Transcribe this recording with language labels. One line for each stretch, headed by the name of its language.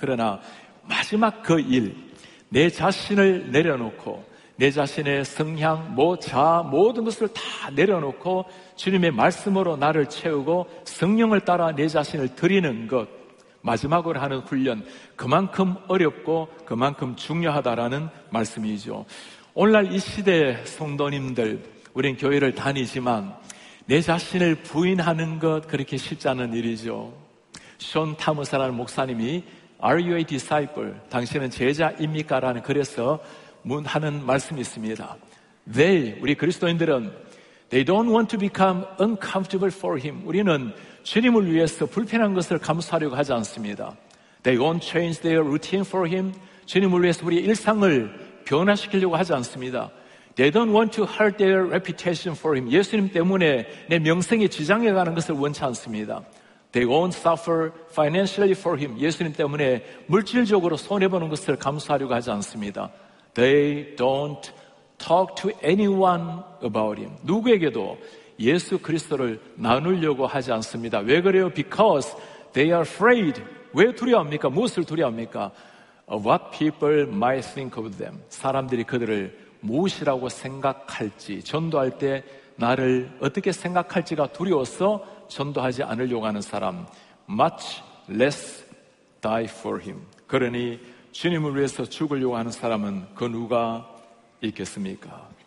Korean: 그러나 마지막 그 일, 내 자신을 내려놓고 내 자신의 성향, 모든 것을 다 내려놓고 주님의 말씀으로 나를 채우고 성령을 따라 내 자신을 드리는 것, 마지막으로 하는 훈련, 그만큼 어렵고 그만큼 중요하다라는 말씀이죠. 오늘날 이 시대의 성도님들, 우린 교회를 다니지만 내 자신을 부인하는 것 그렇게 쉽지 않은 일이죠. 숀 타무사라는 목사님이
English: Are you a disciple?
Korean: 당신은 제자입니까? 라는 글에서 하는 말씀이 있습니다.
English: They,
Korean: 우리 그리스도인들은
English: They don't want to become uncomfortable for him.
Korean: 우리는 주님을 위해서 불편한 것을 감수하려고 하지 않습니다.
English: They won't change their routine for him.
Korean: 주님을 위해서 우리의 일상을 변화시키려고 하지 않습니다.
English: They don't want to hurt their reputation for him.
Korean: 예수님 때문에 내 명성이 지장해 가는 것을 원치 않습니다.
English: They won't suffer financially for him.
Korean: 예수님 때문에 물질적으로 손해보는 것을 감수하려고 하지 않습니다.
English: They don't talk to anyone about him.
Korean: 누구에게도 예수 그리스도를 나누려고 하지 않습니다. 왜 그래요?
English: Because they are afraid.
Korean: 왜 두려워합니까? 무엇을 두려워합니까?
English: Of what people might think of them.
Korean: 사람들이 그들을 무엇이라고 생각할지, 전도할 때 나를 어떻게 생각할지가 두려워서 전도하지 않으려고 하는 사람.
English: Much less die for him.
Korean: 그러니 주님을 위해서 죽으려고 하는 사람은 그 누가 있겠습니까?